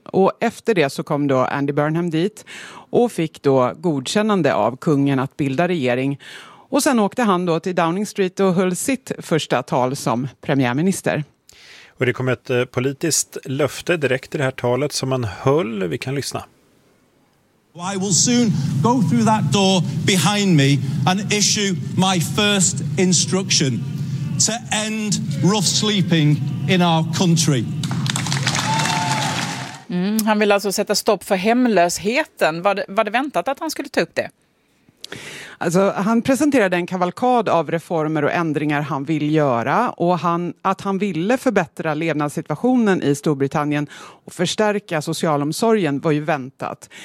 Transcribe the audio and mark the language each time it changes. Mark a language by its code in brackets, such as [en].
[sv] Och efter det så kom då Andy Burnham dit och fick då godkännande av kungen att bilda regering. Och sen åkte han då till Downing Street och höll sitt första tal som premiärminister. Och det kom ett politiskt löfte direkt i det här talet som man höll. Vi kan lyssna. [en] I will soon go through that door behind me and issue my first instruction to end rough sleeping in our country. [sv] Han vill alltså sätta stopp för hemlösheten. Var det väntat att han skulle ta upp det? Alltså, han presenterade en kavalkad av reformer och ändringar han vill göra och att han ville förbättra levnadssituationen i Storbritannien och förstärka socialomsorgen var ju väntat.